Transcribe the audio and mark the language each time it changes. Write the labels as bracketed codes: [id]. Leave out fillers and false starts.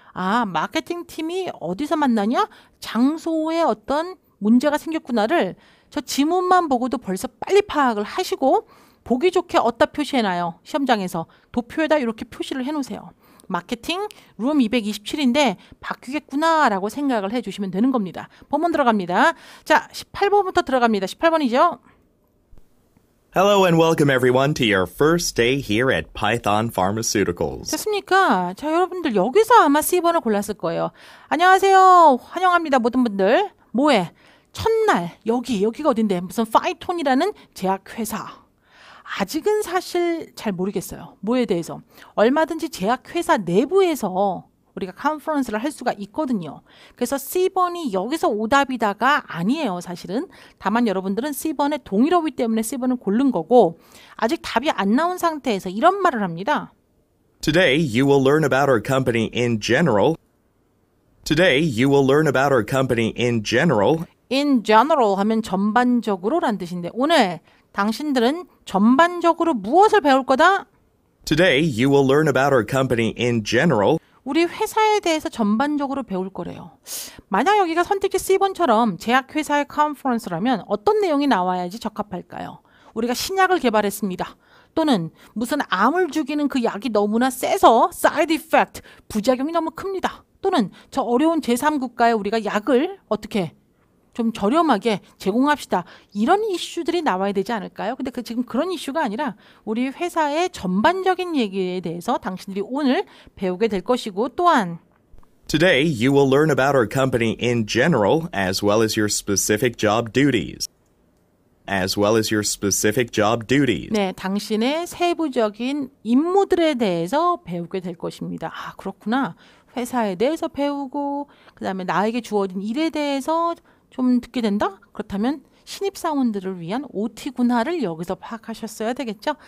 [ko] 아, 마케팅 팀이 어디서 만나냐? 장소에 어떤 문제가 생겼구나를 저 지문만 보고도 벌써 빨리 파악을 하시고 보기 좋게 어디다 표시해놔요? 시험장에서 도표에다 이렇게 표시를 해놓으세요. 마케팅 룸 227인데 바뀌겠구나 라고 생각을 해주시면 되는 겁니다. 본문 들어갑니다. 자, 18번부터 들어갑니다. 18번이죠. [en] Hello and welcome everyone to your first day here at Python Pharmaceuticals. [ko] 됐습니까? 자, 여러분들 여기서 아마 C번을 골랐을 거예요. 안녕하세요. 환영합니다. 모든 분들. 뭐해? 첫날 여기가 어딘데? 무슨 파이톤이라는 제약회사. 아직은 사실 잘 모르겠어요. 뭐에 대해서. 얼마든지 제약회사 내부에서 우리가 컨퍼런스를 할 수가 있거든요. 그래서 C번이 여기서 오답이다가 아니에요. 사실은. 다만 여러분들은 C번의 동일어휘 때문에 C번을 고른 거고 아직 답이 안 나온 상태에서 이런 말을 합니다. [en] Today you will learn about our company in general. Today you will learn about our company in general. In general [ko] 하면 전반적으로란 뜻인데 오늘 당신들은 전반적으로 무엇을 배울 거다? [en] Today you will learn about our company in general. [ko] 우리 회사에 대해서 전반적으로 배울 거래요. 만약 여기가 선택지 C번처럼 제약회사의 컨퍼런스라면 어떤 내용이 나와야지 적합할까요? 우리가 신약을 개발했습니다. 또는 무슨 암을 죽이는 그 약이 너무나 세서 사이드 이펙트, 부작용이 너무 큽니다. 또는 저 어려운 제3국가에 우리가 약을 어떻게 좀 저렴하게 제공합시다. 이런 이슈들이 나와야 되지 않을까요? 근데 그 지금 그런 이슈가 아니라 우리 회사의 전반적인 얘기에 대해서 당신들이 오늘 배우게 될 것이고 또한 [en] Today you will learn about our company in general as well as your specific job duties. As well as your specific job duties. [ko] 네, 당신의 세부적인 임무들에 대해서 배우게 될 것입니다. 아, 그렇구나. 회사에 대해서 배우고 그다음에 나에게 주어진 일에 대해서 좀 듣게 된다? 그렇다면 신입사원들을 위한 OT구나를 여기서 파악하셨어야 되겠죠?